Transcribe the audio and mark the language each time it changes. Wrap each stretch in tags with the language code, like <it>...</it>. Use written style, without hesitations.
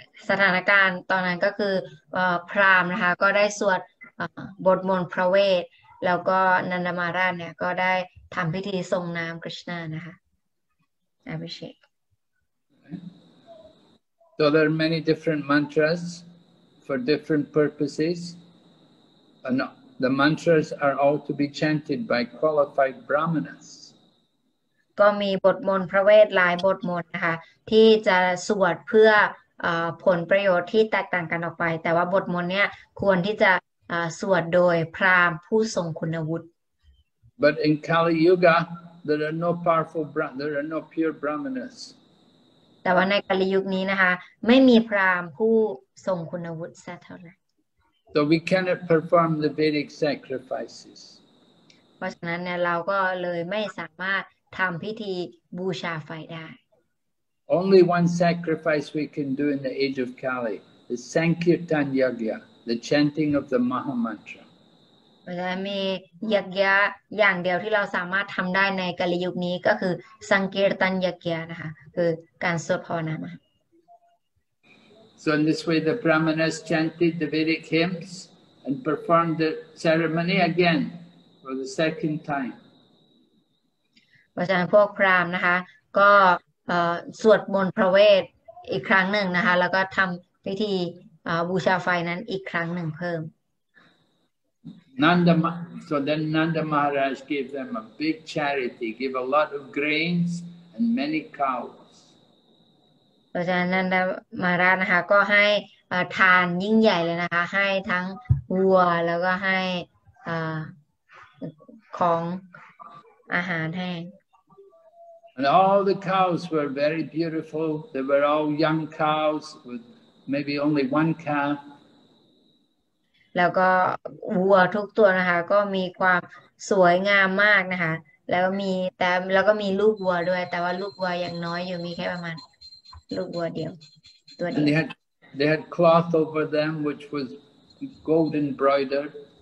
<th>สถานการณ์ตอนนั้นก็คือพราหมณ์นะคะก็ได้สวดบทมนต์พระเวทแล้วก็นันดามาราชเนี่ยก็ได้ทำพิธีทรงน้ำกฤษณานะคะอาภิเชก</th> <en>So there are many different mantras for different purposes and the mantras are all to be chanted by qualified brahmanas</en> <th>ก็มีบทมนต์พระเวทหลายบทมนต์นะคะที่จะสวดเพื่อผลประโยชน์ที่แตกต่างกันออกไปแต่ว่าบทมนต์เนี่ยควรที่จะสวดโดยพราหมณ์ผู้ทรงคุณวุฒิ</th> <en>But in Kali Yuga there are no powerful there are no pure brahmanas</en> <th>แต่ว่าในกาลยุคนี้นะคะไม่มีพราหมณ์ผู้ทรงคุณวุฒิสักเท่าไหร่</th> <en>So we cannot perform the Vedic sacrifices</en> <th>เพราะฉะนั้นเนี่ยเราก็เลยไม่สามารถทำพิธีบูชาไฟได้</th> <en>Only one sacrifice we can do in the age of Kali is Sankirtan Yagya The chanting of the Maha Mantra.</en> <th>เราจะมียักษ์ยะอย่างเดียวที่เราสามารถทำได้ในกาลยุคนี้ก็คือสังเกตันยักษ์ยะนะคะคือการสวดภาวนา</th> <en>So in this way, the Brahmanas chanted the Vedic hymns and performed the ceremony again for the second time.</en> <th>เพราะฉะนั้นพวกพราหมณ์นะคะก็สวดมนต์พระเวทอีกครั้งหนึ่งนะคะแล้วก็ทำพิธีบูชาไฟนั้นอีกครั้งหนึ่งเพิ่ม</th> <en>Nanda so then Nanda Maharaj gave them a big charity gave a lot of grains and many cows</en> <th>เพราะฉะนั้นนันดามหาราชนะคะก็ให้ทานยิ่งใหญ่เลยนะคะให้ทั้งวัวแล้วก็ให้ของอาหารแห้ง</th> <en>And all the cows were very beautiful they were all young cows withMaybe only one calf.</en> <th>แล้วก็วัวทุกตัวนะคะก็มีความสวยงามมากนะคะแล้วมีแต่แล้วก็มีลูกวัวด้วยแต่ว่าลูกวัวยังน้อยอยู่มีแค่ประมาณลูกวัวเดียวตัวเดียว</th> <en>And they had cloth over them which was gold embroidered.</en>